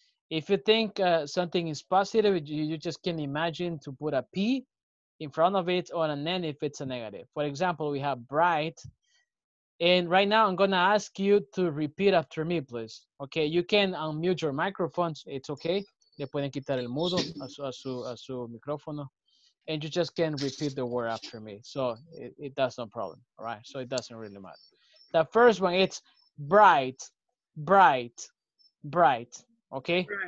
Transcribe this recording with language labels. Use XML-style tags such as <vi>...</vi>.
<en>If you think something is positive, you just can imagine to put a P in front of it or an N if it's a negative. For example, we have bright. And right now I'm gonna ask you to repeat after me, please. Okay, you can unmute your microphones, it's okay.</en> <es>Le pueden quitar el mudo a su micrófono.</es> <en>And you just can repeat the word after me. So it does no problem, all right? So it doesn't really matter. The first one, it's bright, bright, bright, okay?</en>